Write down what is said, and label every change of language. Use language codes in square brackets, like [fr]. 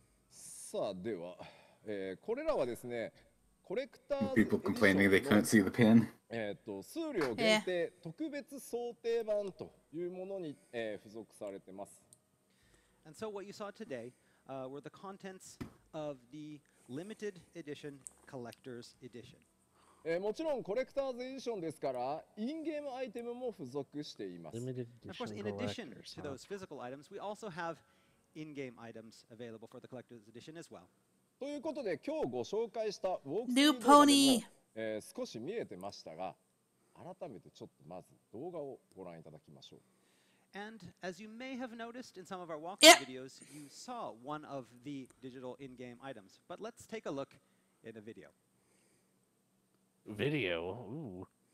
[ja] さあでは、これらはですね、コレクター。 [en] People complaining they can't see the pin. [ja] 数量限定特別想定版というものに、付属されてます。 [en] And so what you saw today were the contents of the limited edition collector's edition. [ja] もちろんコレクターズエディションですから、インゲームアイテムも付属しています。 [en] Limited edition of course, in addition to those physical items, we also have in-game items available for the collector's edition as well. [ja] ということで、今日ご紹介したウォークスリー動画でも、少し見えてましたが、改めてちょっとまず動画をご覧いただきましょう。 [en] And as you may have noticed in some of our walkthrough videos, you saw one of the digital in-game items. But let's take a look in a video. Video? Ooh.